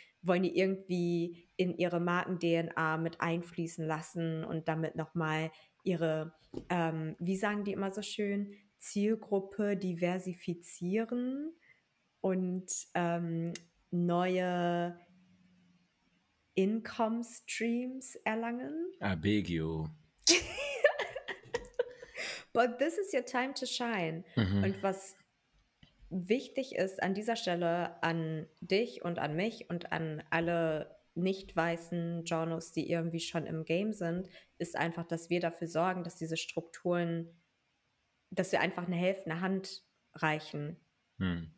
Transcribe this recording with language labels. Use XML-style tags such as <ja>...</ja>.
<de>wollen die irgendwie in ihre Marken-DNA mit einfließen lassen und damit nochmal ihre, wie sagen die immer so schön, Zielgruppe diversifizieren und neue Income-Streams erlangen.</de> <en>I beg you. But this is your time to shine. Mhm.</en> <de>Und was wichtig ist an dieser Stelle an dich und an mich und an alle nicht-weißen Journos, die irgendwie schon im Game sind, ist einfach, dass wir dafür sorgen, dass diese Strukturen, dass wir einfach eine helfende Hand reichen. Mhm.</de>